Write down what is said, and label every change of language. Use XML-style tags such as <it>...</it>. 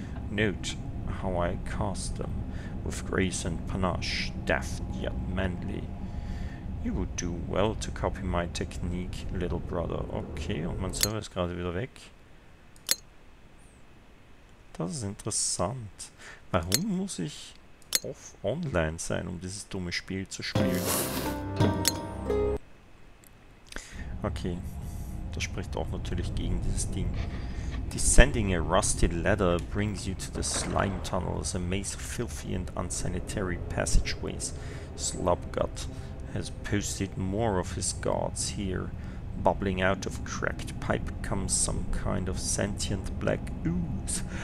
<en>Note how I cast them with grace and panache, deft yet manly. You would do well to copy my technique, little brother.</en> <de>Okay, und mein Server ist gerade wieder weg. Das ist interessant. Warum muss ich offline sein, um dieses dumme Spiel zu spielen? Okay, das spricht auch natürlich gegen dieses Ding.</de> <en>Descending a rusty ladder brings you to the slime tunnels, a maze of filthy and unsanitary passageways. Slobgut has posted more of his guards here. Bubbling out of cracked pipe comes some kind of sentient black ooze.</en>